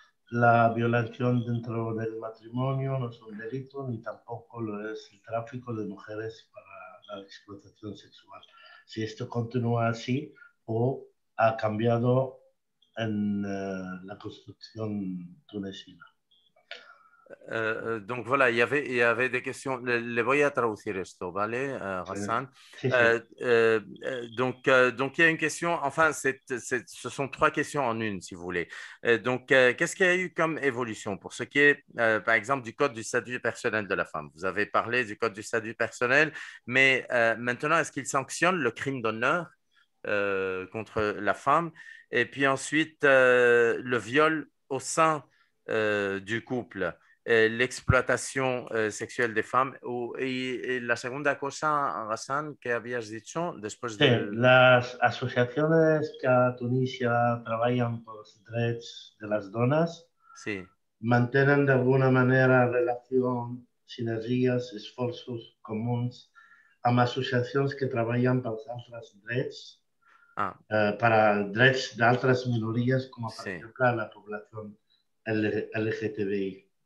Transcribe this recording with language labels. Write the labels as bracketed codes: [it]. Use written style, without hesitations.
[es] La violación dentro del matrimonio no es un delito, ni tampoco lo es el tráfico de mujeres para la explotación sexual. Si esto continúa así o ha cambiado en la Constitución tunecina. [fr] Donc voilà, il y avait des questions. [es] Le voy a traducir esto, ¿vale, Hassan? Sí, sí. [fr] Donc il y a une question. Enfin, ce sont trois questions en une, si vous voulez. Donc, qu'est-ce qu'il y a eu comme évolution pour ce qui est, par exemple, du code du statut personnel de la femme? Vous avez parlé du code du statut personnel, mais maintenant, est-ce qu'il sanctionne le crime d'honneur contre la femme? Et puis ensuite, le viol au sein du couple, l'exploitation sexuelle des femmes. Et la seconde chose, Hassan, [es] que habías dicho, después de... [fr] Les associations qui, à Tunisie, travaillent pour les droits de [es] las donas, sí, [fr] maintiennent [es] de alguna manera [fr] relations, [es] sinergias, esfuerzos comunes a [fr] associations qui travaillent pour d'autres droits, pour les droits d'autres [es] minorías, [fr] comme par exemple la population LGTBI.